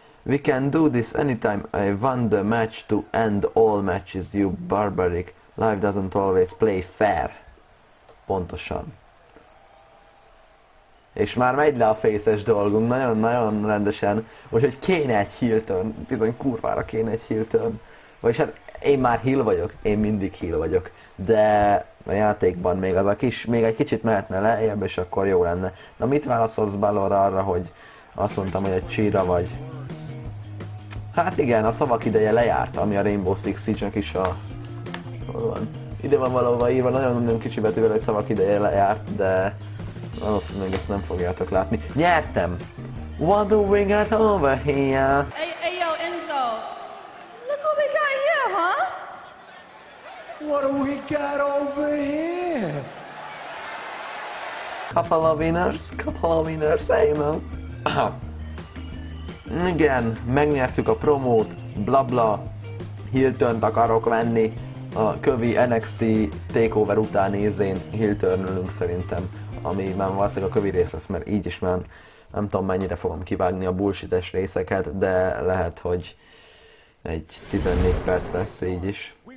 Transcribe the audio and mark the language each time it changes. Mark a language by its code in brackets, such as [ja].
[en] We can do this anytime I want the match to end all matches, you barbaric. Life doesn't always play fair. [hu] Pontosan. És már megy le a fészes dolgunk, nagyon-nagyon rendesen. Úgyhogy kéne egy heel turn, bizony kurvára kéne egy heel turn. Vagyis hát én már heel vagyok, én mindig heel vagyok. De a játékban még az a kis, még egy kicsit mehetne lejjebb, és akkor jó lenne. Na mit válaszolsz Balor arra, hogy azt mondtam, hogy egy csíra vagy? Hát igen, a szavak ideje lejárt, ami a Rainbow Six Siege-nek is a... Hol van? Ide van valahova írva, nagyon-nagyon kicsi betűvel, hogy szavak ideje lejárt, de... Valószínűleg ezt nem fogjátok látni. Nyertem! [en] What do we got over here? Hey, yo, Enzo! Look what we got here, huh? What do we got over here? Couple of winners, Eamon. [hu] Igen, megnyertük a promót, blabla. Hiltont akarok venni. A kövi NXT takeover után izén Hiltörnölünk szerintem. Ami már valószínűleg a kövi rész lesz, mert így is már nem tudom mennyire fogom kivágni a bullshites részeket, de lehet, hogy egy 14 perc lesz így is.